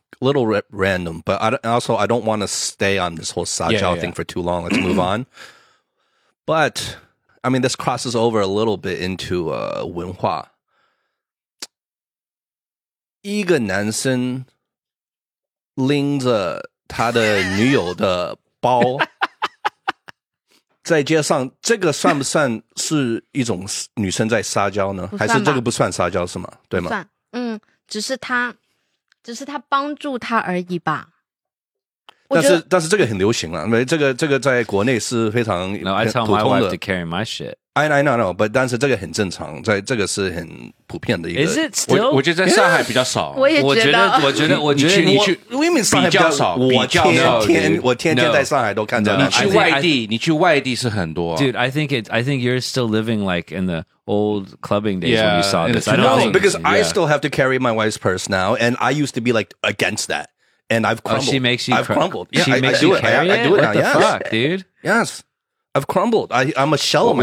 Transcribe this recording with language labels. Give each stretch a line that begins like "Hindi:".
English: A little random, but I don't want to stay on this whole 撒娇 thing for too long. Let's move on. But... I mean, this crosses over a little bit into 文化。
Chinese: 一个男生拎着他的女友的包在街上，这个算不算是一种女生在撒娇呢？还是这个不算撒娇是吗？对吗？算，只是他帮助他而已吧。但是这个很流行啊，因为这个在国内是非常普通的。
English: No, I tell my wife to carry my shit. I know, but
Chinese: 但是这个很正常，在这个是很普遍的一个。
English: Is it still?
Chinese: 我觉得在上海比较少。我觉得你去，因为上海比较少，我天天在上海都看到。你去外地，你去外地是很多。
English: Dude, I think you're still living like in the old clubbing days when you saw this. No, because I still have to carry my wife's purse now, and I used to be like against that. And I've crumbled. Oh, she makes you crumbled. Yeah, she makes you carry it? I do it now, yes. What the fuck, dude? Yes. I've crumbled. I'm a shell of myself.